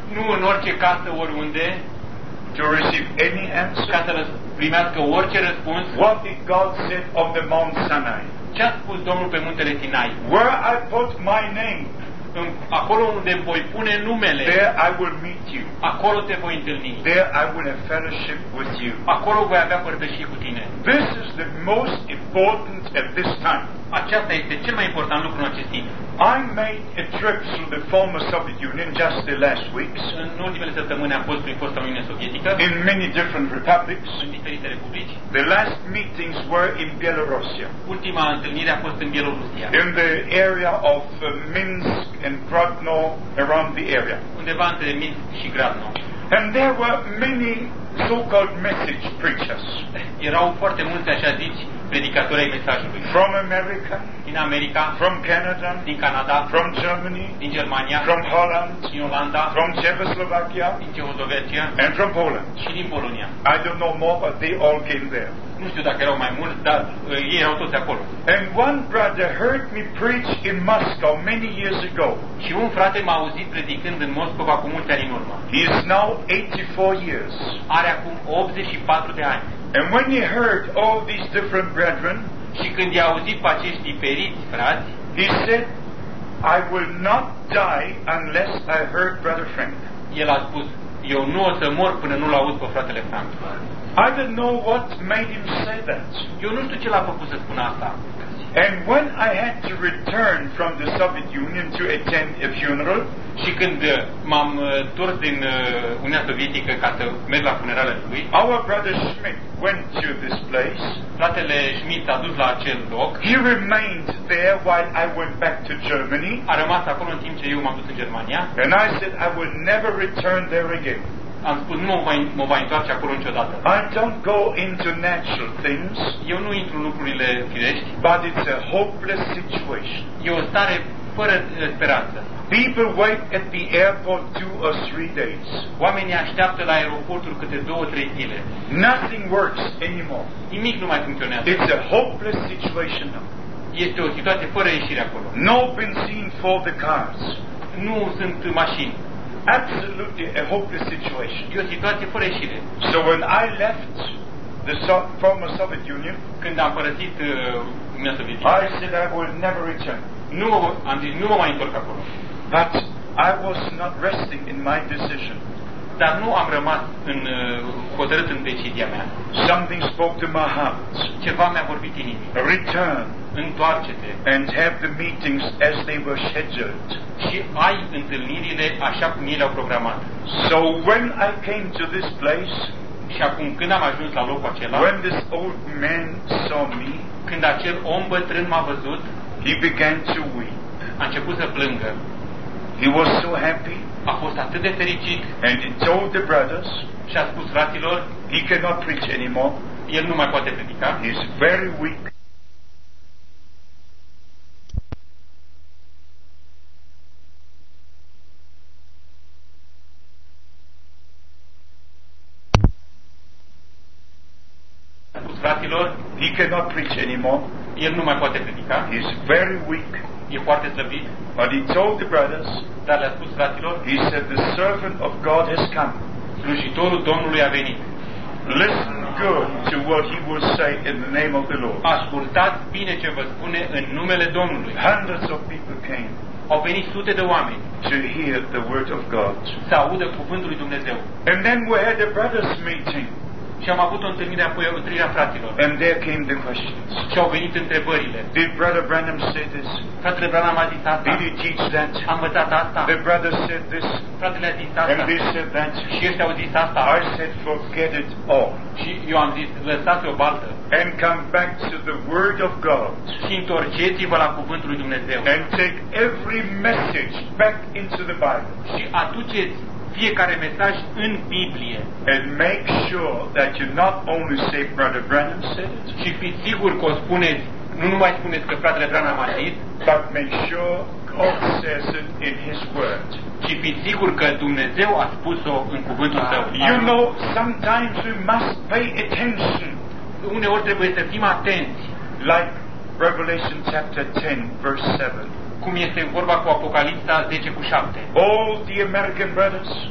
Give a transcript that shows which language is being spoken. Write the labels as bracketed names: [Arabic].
[Romanian] Nu în orice casă, oriunde. [English] To receive any answer. [Romanian] Ca să primească orice răspuns. [English] What did God say on the Mount Sinai? [Romanian] Ce a spus Domnul pe muntele Sinai? [English] Where I put my name, [Romanian] acolo unde voi pune numele. [English] There I will meet you. [Romanian] Acolo te voi întâlni. [English] There I will have fellowship with you. [Romanian] Acolo voi avea părtășie cu tine. [English] This is the most important at this time. [Romanian] Aceasta este cel mai important lucru în acest timp. [English] I made a trip through the former Soviet Union just the last weeks. [Romanian] În ultimele săptămâni am fost prin fosta Uniune Sovietică. [English] In many different republics. [Romanian] În diferite republici. [English] The last meetings were in Belarusia. [Romanian] Ultima întâlnire a fost în Bielorusia. [English] In the area of Minsk and Grodno, around the area. [Romanian] Undeva între Minsk și Grodno. [English] And there were many so-called message preachers. [Romanian] Erau foarte mulți așa zici predicatori ai mesajului. [English] From America. [Romanian] Din America. [English] From Canada. [Romanian] Din Canada. [English] From Germany. [Romanian] Din Germania. [English] From Holland. [Romanian] Din Olanda. [English] From Czechoslovakia. [Romanian] Din Czechoslovakia. [English] And from Poland. [Romanian] Și din Polonia. [English] I don't know more, but they all came there. [Romanian] Nu știu dacă erau mai mulți, dar ei erau toți acolo. [English] And one brother heard me preach in Moscow many years ago. [Romanian] Și un frate m-a auzit predicând în Moscova cu mulți ani în urmă. [English] He is now 84 years. [Romanian] Are acum 84 de ani. [English] And when he heard all these different brethren, [Romanian] și când i-a auzit pe acești diferiți frați, [English] he said, I will not die unless I heard Brother Frank. [Romanian] El a spus, eu nu o să mor până nu l-aud pe fratele Frank. [English] I don't know what made him say that. [Romanian] Eu nu știu ce l-a făcut să spună asta. [English] And when I had to return from the Soviet Union to attend a funeral, [Romanian] și când m-am întors din Uniunea Sovietică ca să merg la funerală lui, [English] our brother Schmidt went to this place. [Romanian] Fratele Schmidt a dus la acel loc. [English] He remained there while I went back to Germany. [Romanian] A rămas acolo în timp ce eu m-am dus în Germania. [English] And I said I will never return there again. [Romanian] am spus, nu mă voi întoarce acolo niciodată. [English] I don't go into natural things. [Romanian] Eu nu intru în lucrurile firești. [English] But it's a hopeless situation. [Romanian] E o stare fără speranță. [English] People wait at the airport 2 or 3 days. [Romanian] Oamenii așteaptă la aeroportul câte 2-3 zile. [English] Nothing works anymore. [Romanian] Nimic nu mai funcționează. [English] It's a hopeless situation now. [Romanian] Este o situație fără ieșire acolo. [English] No benzine for the cars. [Romanian] Nu sunt mașini. [English] Absolutely a hopeless situation. [Romanian] E o situație fără ieșire. [English] So when I left the former Soviet Union, [Romanian] când am părăsit Uniunea Sovietică, [English] I said I will never return. [Romanian] Nu, am zis, nu mă mai întorc acolo. [English] But I was not resting in my decision. [Romanian] Dar nu am rămas în hotărât în decizia mea. [English] Something spoke to my heart. [Romanian] Ceva mi-a vorbit în inimă. [English] Return. [Romanian] Întoarce-te. [English] And have the meetings as they were scheduled. [Romanian] Și ai întâlnirile așa cum ele au programat. [English] So when I came to this place, [Romanian] și acum când am ajuns la locul acela, [English] when this old man saw me, [Romanian] când acel om bătrân m-a văzut, [English] he began to weep. [Romanian] A început să plângă. [English] He was so happy. [Romanian] A fost atât de fericit. [English] And he told the brothers, [Romanian] și a spus fraților, [English] he cannot preach anymore. [Romanian] El nu mai poate predica. [English] He is very weak. He cannot preach anymore. [Romanian] El nu mai poate predica. [English] He is very weak. [Romanian] E foarte slăbit. [English] But he told the brothers. [Romanian] Dar le-a spus fraților. [English] He said the servant of God has come. [Romanian] Slujitorul Domnului a venit. [English] Listen good to what he will say in the name of the Lord. [Romanian] Ascultați bine ce vă spune în numele Domnului. [English] Hundreds of people came. [Romanian] Au venit sute de oameni. [English] To hear the word of God. [Romanian] Să audă cuvântul lui Dumnezeu. [English] And then we had the brothers meeting. [Romanian] Și am avut o întâlnire apoi, întâlnirea fraților. [English] And there came the questions. [Romanian] Și au venit întrebările. [English] Did Brother Branham say this? [Romanian] Fratele Branham a zis asta. [English] Did he teach that? [Romanian] A învățat asta. [English] The brother said this. [Romanian] Fratele a zis asta. [English] And they said that. [Romanian] Și ăștia au zis asta. [English] I said, forget it all. [Romanian] Și eu am zis, lăsați-o baltă. [English] And come back to the word of God. [Romanian] Și întorceți-vă la cuvântul lui Dumnezeu. [English] And take every message back into the Bible. [Romanian] Și aduceți fiecare mesaj în Biblie. [English] And make sure that you not only say Brother Branham said it. [Romanian] Și fiți sigur că o spuneți, nu numai spuneți că fratele Branham a zis, [English] but make sure God says it in his word. [Romanian] Și fiți sigur că Dumnezeu a spus-o în cuvântul său. [English] You know, sometimes we must pay attention. [Romanian] Uneori trebuie să fim atenți. [English] Like Revelation chapter 10 verse 7. [Romanian] Cum este vorba cu Apocalipsa 10:7. [English] All the American brothers,